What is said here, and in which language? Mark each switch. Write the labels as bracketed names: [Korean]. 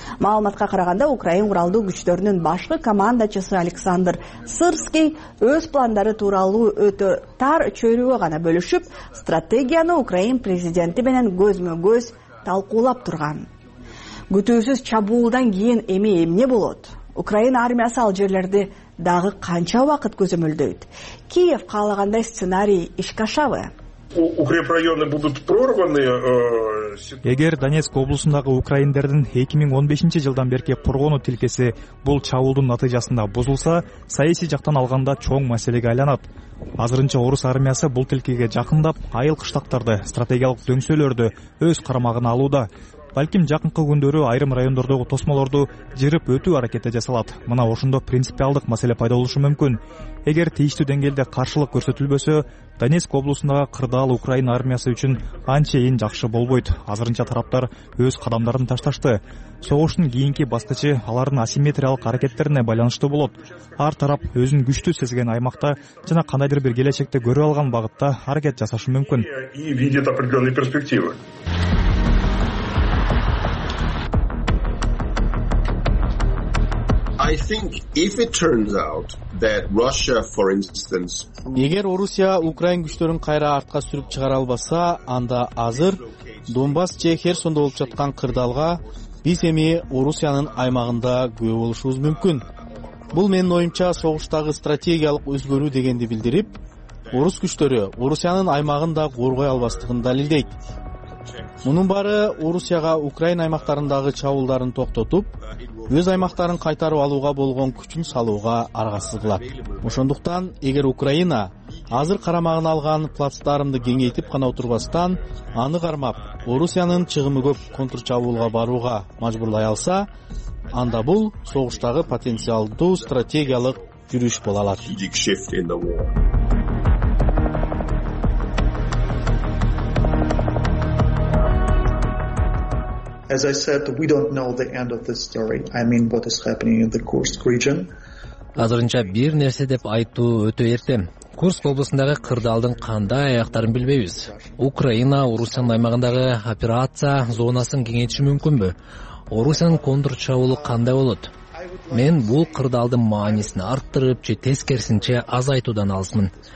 [Kyrgyz] Маалыматка караганда Украин куралдуу күчтөрүнүн башкы командачысы Александр Сырский өз пландары тууралуу өтө тар чөйрөгө гана бөлүшүп, стратегияны Украин президенти менен көзмө көз талкуулап турган. Күтүүсүз чабуулдан кийин эми эмне болот? Украина армиясы ал жерлерди дагы канча убакыт көзөмөлдөйт? Киев каалагандай сценарий ишке ашабы? [Russian] Укрепрайоны будут прорваны. [Kyrgyz] Эгер Донецк облусундагы украиндердин 2015 жылдан берки коргонуу тилкеси бул чабуулдун натыйжасында бузулса, саясий жактан алганда чоң маселеге айланат. Азырынча орус армиясы бул тилкеге жакындап, айыл кыштактарды, стратегиялык дөңсөлөрдү өз карамагына алууда. Балким жакынкы күндөрү айрым райондордогу тосмолорду жырып өтүү аракети жасалат. Мына ошондо принципиалдык маселе пайда болушу мүмкүн. Эгер тийиштүү деңгээлде каршылык көрсөтүлбөсө, Донецк облусундагы кырдаал Украина армиясы үчүн анчейин жакшы болбойт. Азырынча тараптар өз кадамдарын ташташты. Согуштун кийинки баскычы алардын асимметриялык аракеттерине байланыштуу болот. Ар тарап өзүн күчтүү сезген аймакта жана кандайдыр бир келечекте көрүп алган багытта аракет жасашы мүмкүн. [Russian] И видит определённые перспективы. [English] I think if it turns out that Russia, for instance, [Kyrgyz] эгер Орусия Украин күчтөрүн кайра артка сүрүп чыгара албаса, анда азыр Донбасс же Херсонда болуп жаткан кырдаалга биз эми Орусиянын аймагында күйөө болушубуз мүмкүн. Бул менин оюмча согуштагы стратегиялык өзгөрүү дегенди билдирип, орус күчтөрү Орусиянын аймагын да коргой албастыгын далилдейт. Мунун баары Орусияга Украин аймактарындагы чабуулдарын токтотуп, өз аймактарын кайтарып алууга болгон күчүн салууга аргасыз кылат. Ошондуктан эгер Украина азыр карамагына алган плацдармды кеңейтип гана отурбастан, аны кармап, Орусиянын чыгымы көп контрчабуулга барууга мажбурлай алса, анда бул согуштагы потенциалдуу стратегиялык жүрүш боло алат. [English] As I said, we don't know the end of this story. I mean, what is happening in the Kursk region? [Kyrgyz] Азырынча бир нерсе деп айтуу өтө эрте. Курск облусундагы кырдаалдын кандай аяктарын билбейбиз. Украина Орусиянын аймагындагы операция зонасын кеңейтиши мүмкүнбү? Орусиянын контрчабуулу кандай болот? Мен бул кырдаалдын маанисин арттырып же тескерисинче азайтуудан алысмын.